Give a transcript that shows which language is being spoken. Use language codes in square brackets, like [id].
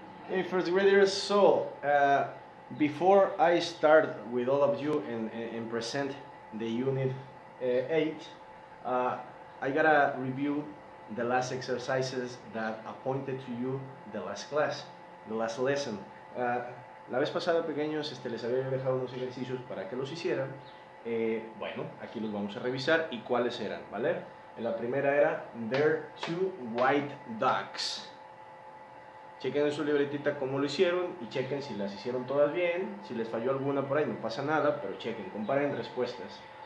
[en] In first graders, so before I start with all of you and present the unit 8, I gotta review the last exercises that I pointed to you the last class, the last lesson. [es] La vez pasada, pequeños, les había dejado unos ejercicios para que los hicieran. Bueno, aquí los vamos a revisar y cuáles eran, ¿vale? La primera era, [en] there are two white ducks. [es] Chequen en su libretita cómo lo hicieron y chequen si las hicieron todas bien. Si les falló alguna por ahí, no pasa nada, pero chequen, comparen respuestas.